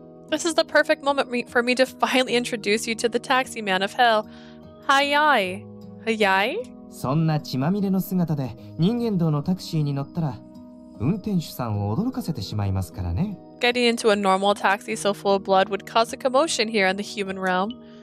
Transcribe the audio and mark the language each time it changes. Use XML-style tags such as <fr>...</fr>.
<en>This is the perfect moment for me to finally introduce you to the taxi man of hell.</en> <ja>Hayai. Hayai? そんな血まみれの姿で人間道のタクシーに乗ったら運転手さんを驚かせてしまいますからね。</ja> <en>Getting into a normal taxi so full of blood would cause a commotion here in the human realm.</en>